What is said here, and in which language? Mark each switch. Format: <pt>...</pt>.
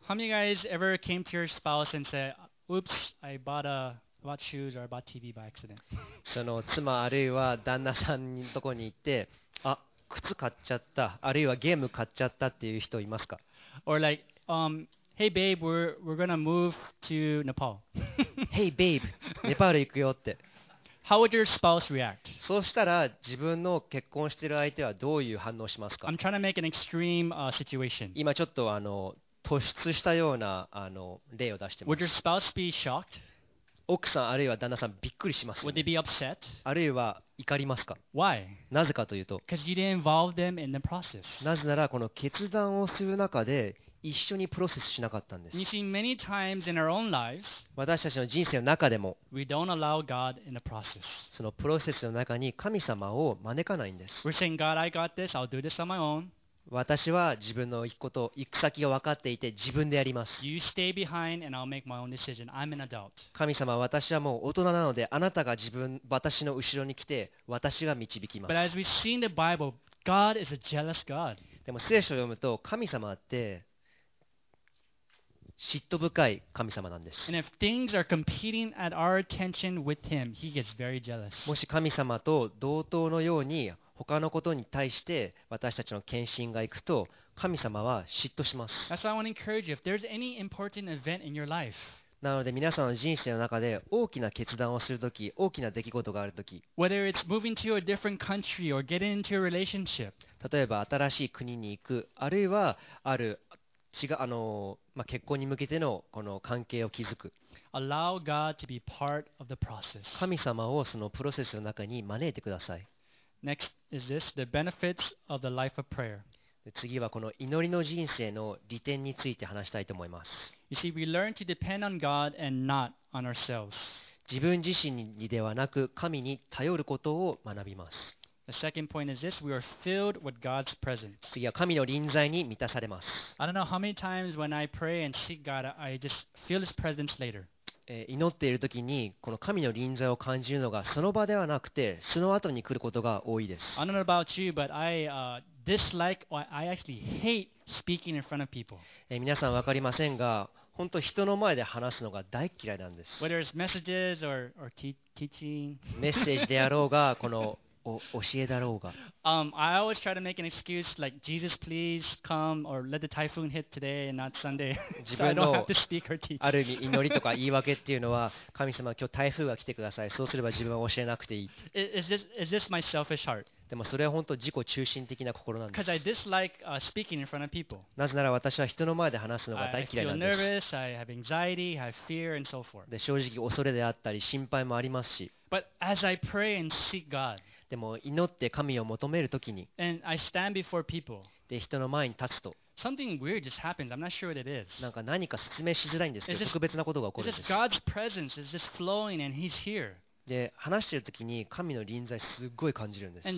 <en>How many guys ever came to your spouse and said, "Oops, I bought about shoes or about TV by accident"?</en> <ja>その妻あるいは旦那さんのところに行って、あ、靴買っちゃった、あるいはゲーム買っちゃったっていう人いますか。</ja> <en>Or like, hey babe, we're gonna move to Nepal. Hey babe,</en> <ja>Nepal 行くよって。</ja> <en>How would your spouse react?</en> <ja>そうしたら自分の結婚している相手はどういう反応しますか。</ja> <en>I'm trying to make an extreme situation.</en> <ja>今ちょっと突出したような例を出してます。</ja> <en>Would your spouse be shocked?</en> <ja>奥さんあるいは旦那さんびっくりしますよね。</ja> <en>Would they be upset?</en> <ja>あるいは怒りますか。</ja> <en>Why?</en> <ja>なぜかというと、</ja> <en>Because you didn't involve them in the process.</en> <ja>なぜならこの決断をする中で一緒にプロセスしなかったんです。</ja> <en>You see, many times in our own lives,</en> <ja>私たちの人生の中でも、</ja> <en>We don't allow God in the process.</en> <ja>そのプロセスの中に神様を招かないんです。</ja> <en>We're saying, God, I got this. I'll do this on my own.</en> <ja>私は自分の行くこと、行く先が分かっていて自分でやります。</ja> <en>You stay behind and I'll make my own decision. I'm an adult.</en> <ja>神様、私はもう大人なので、あなたが自分、私の後ろに来て、私が導きます。</ja> <en>But as we've seen the Bible, God is a jealous God.</en> <ja>でも聖書を読むと、神様って、嫉妬深い神様なんです。</ja> <en>And if things are competing at our attention with him, he gets very jealous.</en> <ja>もし神様と同等のように、他のことに対して私たちの献身が行くと神様は嫉妬します。</ja> <en>That's why I want to encourage you. If there's any important event in your life,</en> <ja>なので皆さんの人生の中で大きな決断をするとき、大きな出来事があるとき、</ja> <en>Whether it's moving to a different country or getting into a relationship,</en> <ja>例えば新しい国に行く、あるいはある違う結婚に向けてのこの関係を築く、</ja> <en>Allow God to be part of the process.</en> <ja>神様をそのプロセスの中に招いてください。</ja> <en>Next is this, the benefits of the life of prayer.</en> <ja>次はこの祈りの人生の利点について話したいと思います。</ja> <en>You see, we learn to depend on God and not on ourselves.</en> <ja>自分自身にではなく神に頼ることを学びます。</ja> <en>The second point is this, we are filled with God's presence.</en> <ja>次は神の臨在に満たされます。</ja> <en>I don't know how many times when I pray and seek God, I just feel His presence later.</en> <ja>祈っているときにこの神の臨在を感じるのがその場ではなくてその後に来ることが多いです。</ja> <en>I don't know about you, but I dislike or I actually hate speaking in front of people.</en> <ja>皆さん分かりませんが本当人の前で話すのが大嫌いなんです。</ja> <en>Whether it's messages or teaching.</en> <ja>メッセージであろうがこの教えだろうが、</ja> <en>I always try to make an excuse like Jesus please come or let the typhoon hit today and not Sunday.</en> <ja>自分の</ja> <en>so I don't have to speak or teach.</en> <ja>ある意味祈りとか言い訳っていうのは、神様今日台風が来てください。そうすれば自分は教えなくていい。</ja> <en>Is this my selfish heart?</en> <ja>でもそれは本当自己中心的な心なんです。</ja> <en>Because I dislike speaking in front of people.</en> <ja>なぜなら私は人の前で話すのが大嫌いなんです。</ja> <en>I feel nervous. I have anxiety. I have fear and so forth.</en> <ja>で正直恐れであったり心配もありますし。</ja> <en>But as I pray and seek God.</en> <ja>でも祈って神を求めるときに、</ja> <en>And I stand before people.</en> <ja>で人の前に立つと、</ja> <en>Something weird just happens. I'm not sure what it is.</en> <ja>なんか何か説明しづらいんですけど、</ja> <en>just,</en> <ja>特別なことが起こるんです。</ja> <en>It's just God's presence is just flowing and He's here.</en> <ja>で話しているときに神の臨在すごい感じるんです。</ja>